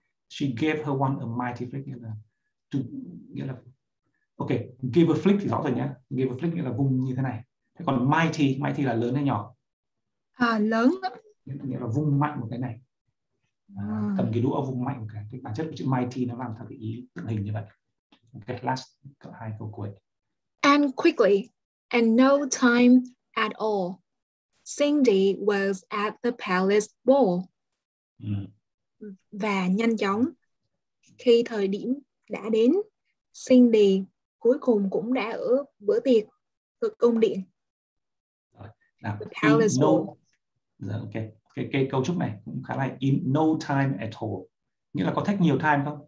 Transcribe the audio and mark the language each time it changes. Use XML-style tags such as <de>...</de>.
<en>She gave her one a mighty flick.</en> <vi>Nghĩa là ok, give a flick thì rõ rồi nhé. Give a flick nghĩa là vùng như thế này. Thế còn mighty là lớn hay nhỏ? À, lớn. Nghĩa là vùng mạnh một cái này. Cầm cái đũa vùng mạnh cái bản chất của chữ mighty nó làm theo cái ý tượng hình như vậy. Okay, last hai câu cuối.</vi> <en>And quickly, and no time at all, Cindy was at the palace ball.</en> <vi>Và nhanh chóng, khi thời điểm đã đến, Cindy cuối cùng cũng đã ở bữa tiệc thuộc cung điện.</vi> <en>Now, the palace ball. Okay.</en> <vi>Cái cấu trúc này cũng khá là in no time at all. Nghĩa là có take nhiều time không?</vi>